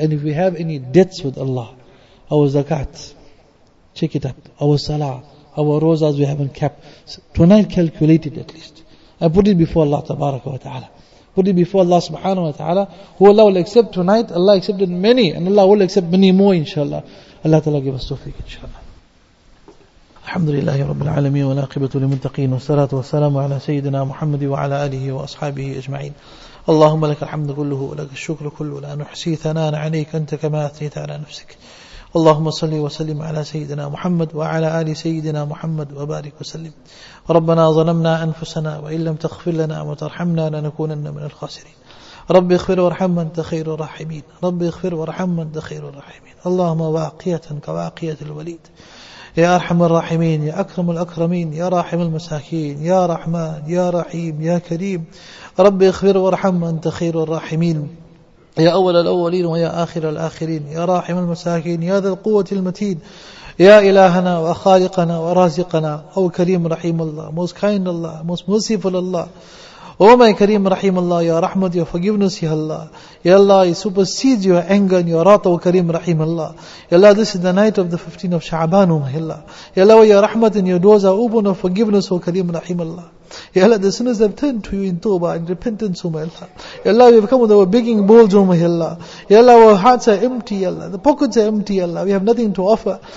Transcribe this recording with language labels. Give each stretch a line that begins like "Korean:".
English: And if we have any debts with Allah, our zakat, check it up. Our salah, our rozas we haven't kept. So tonight calculate it at least. And put it before Allah Tabaraka wa Ta'ala. Put it before Allah Subhanahu wa Ta'ala. Who Allah will accept tonight, Allah accepted many. And Allah will accept many more inshallah. Allah Ta'ala give us tawfiq inshallah.
Arabic: الحمد لله رب العالمين والعاقبة للمتقين والصلاة والسلام على سيدنا محمد وعلى آله وأصحابه أجمعين اللهم لك الحمد كله ولك الشكر كله لا نحصي ثناء عليك أنت كما أثنيت على نفسك اللهم صل وسلم على سيدنا محمد وعلى آل سيدنا محمد وبارك وسلم ربنا ظلمنا أنفسنا وإن لم تغفر لنا وترحمنا لنكونن من الخاسرين رب اغفر وارحم أنت خير الراحمين رب اغفر وارحم أنت خير الراحمين اللهم واقية كواقية الوليد يا أرحم الراحمين يا أكرم الأكرمين يا راحم المساكين يا رحمن يا رحيم يا كريم ربي اغفر وارحم أنت خير الراحمين يا أول الأولين ويا آخر الآخرين يا راحم المساكين يا ذا القوة المتين يا إلهنا وخالقنا ورازقنا أو كريم رحيم الله
English: most kind الله most merciful الله Oh my Kareem Rahim Allah, Ya Rahmat, Ya Forgiveness, Ya Allah. Ya Allah, it supersedes your anger and your wrath, O Kareem Rahim Allah. Ya Allah, this is the night of the 15th of Sha'aban, O my Allah. Ya Allah, Ya Rahmat, and your doors are open of forgiveness, O Kareem Rahim Allah. Ya Allah, the sinners have turned to you in tawbah and repentance, O my Allah. Ya Allah, we have come with our begging bowls, O my Allah. Ya Allah, our hearts are empty, Ya Allah. The pockets are empty, Ya Allah. We have nothing to offer.